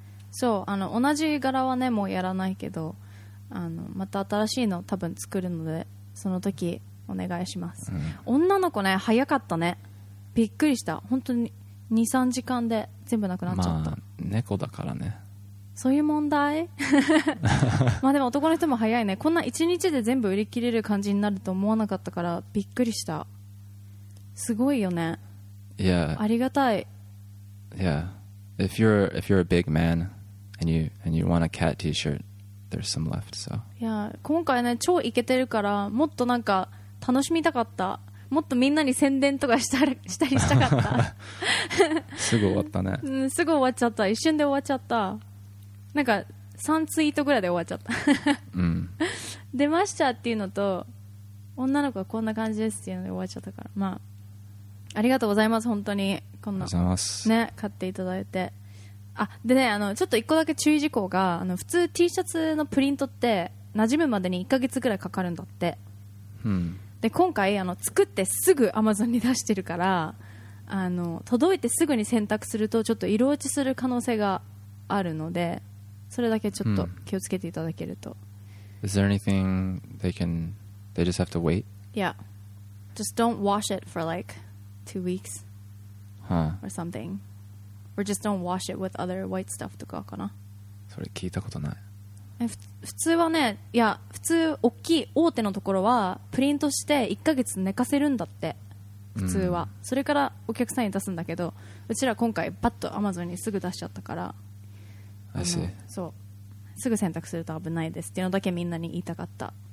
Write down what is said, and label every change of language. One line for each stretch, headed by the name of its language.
Japanese: そう、あの同じ柄はねもうやらないけど、あのまた新しいの多分作るので、その時お願いします、うん、女の子ね早かったね、びっくりした。本当に 2,3 時間で全部なくなっちゃった。まあ猫だからね、そういう問題まあでも男の人も早いね。こんな1日で全部売り切れる感じになると思わなかったからびっくりした。すごいよね。
English: Yeah
Japanese: ありがたい。
English: YeahIf you're a big man and you want a cat t-shirt, there's some left, so.
Japanese: Yeah, 今回ね超イケてるからもっとなんか楽しみたかった。もっとみんなに宣伝とかしたりしたかったすぐ終わったね、うん、すぐ終わっちゃった。一瞬で終わっちゃった。なんか3ツイートぐらいで終わっちゃった、うん、出ましたっていうのと女の子はこんな感じですっていうので終わっちゃったから、まあありがとうございます。本当にこんな、ね、買っていただいて。あでね、あのちょっと一個だけ注意事項が、あの普通 T シャツのプリントって馴染むまでに1ヶ月ぐらいかかるんだって、うん、で今回あの作ってすぐ Amazon に出してるから、あの届いてすぐに洗濯するとちょっと色落ちする可能性があるので、それだけちょっと気をつけていただけると、
English: うん、Is there anything they just have to wait? Yeah, just don't wash it for like2 weeks、 huh. or something, or just don't wash it with other white stuff
Japanese: とかかな。それ聞いたことない。普通はね、いや普通大きい大手のところはプリントして1ヶ月寝かせるんだって普通は、うん、それからお客さんに出すんだけど、うちら今回パッと Amazon にすぐ出しちゃったから、
English: I see.
Japanese: そうすぐ洗濯すると危ないですっていうのだけみんなに言いたかった。